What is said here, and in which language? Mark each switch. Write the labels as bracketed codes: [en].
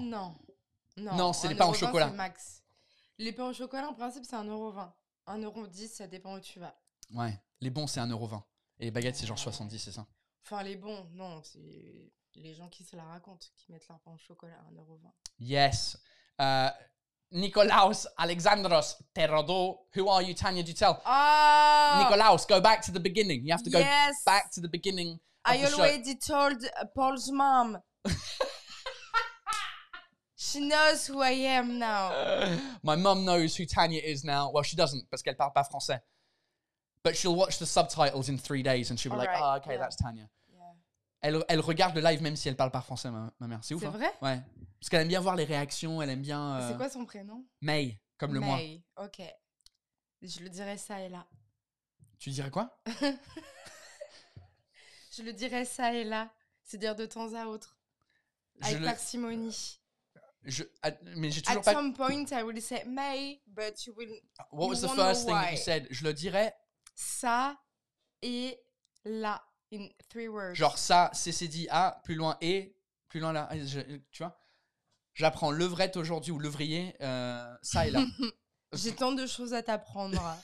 [fr] Non, non, non, c'est les pains au chocolat. C'est max. Les pains au chocolat, en principe, c'est 1,20€. 1,10€, ça dépend où tu vas. Ouais, les bons, c'est 1,20€. Et les baguettes, c'est genre 70, c'est ça? Enfin, les bons, non, c'est les gens qui se la racontent, qui mettent leur pain au chocolat à 1,20€. [en] Yes. Nikolaos Alexandros Terodo, who are you, Tania Dutel? Oh. Nikolaos, go back to the beginning. You have to go back to the beginning. I already told Paul's mom. She knows who I am now. My mom knows who Tania is now. Well, she doesn't, [fr] parce qu'elle parle pas français. [en] But she'll watch the subtitles in 3 days and she'll be like, oh, okay, that's Tania. [fr] Elle regarde le live même si elle parle pas français, ma mère. C'est ouf. C'est hein? vrai? Ouais. Parce qu'elle aime bien voir les réactions, elle aime bien... C'est quoi son prénom? May, comme le moi. May, ok. Je le dirais ça et là. Tu dirais quoi? Je le dirais ça et là. C'est-à-dire de temps à autre. Avec parcimonie. Mais j'ai toujours pas... [en] At some point, I will say May, but you will... What was the first thing that you said? [fr] Je le dirais... Ça et là. [en] In three words. [fr] Genre ça, c'est dit à, plus loin et, plus loin là, tu vois. J'apprends levrette aujourd'hui ou levrier, ça et là. J'ai tant de choses à t'apprendre.